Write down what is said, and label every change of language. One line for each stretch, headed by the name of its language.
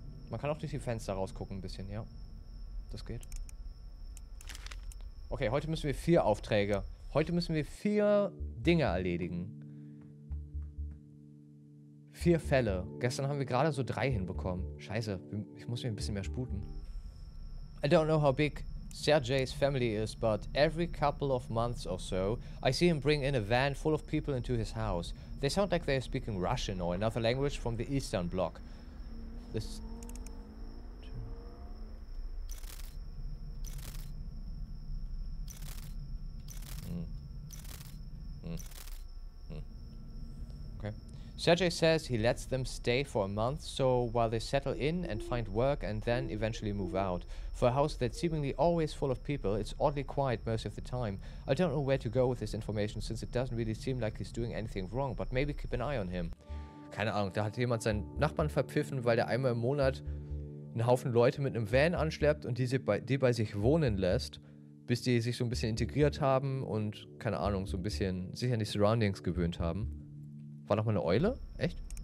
German: Man kann auch durch die Fenster rausgucken ein bisschen, ja. Das geht. Okay, heute müssen wir 4 Aufträge. Heute müssen wir 4 Dinge erledigen. 4 Fälle. Gestern haben wir gerade so 3 hinbekommen. Scheiße, ich muss mir ein bisschen mehr sputen.
English: I don't know how big Sergei's family is, but every couple of months or so, I see him bring in a van full of people into his house. They sound like they are speaking Russian or another language from the Eastern Bloc. This... Okay. Sergei says he lets them stay for a month, so while they settle in and find work and then eventually move out. For a house that's seemingly always full of people, it's oddly quiet most of the time. I don't know where to go with this information, since it doesn't really seem like he's doing anything wrong, but maybe keep an eye on him.
German: Keine Ahnung, da hat jemand seinen Nachbarn verpfiffen, weil der einmal im Monat einen Haufen Leute mit einem Van anschleppt und die bei sich wohnen lässt. bis die sich so ein bisschen integriert haben und, keine Ahnung, so ein bisschen sich an die Surroundings gewöhnt haben. War noch mal eine Eule? Echt?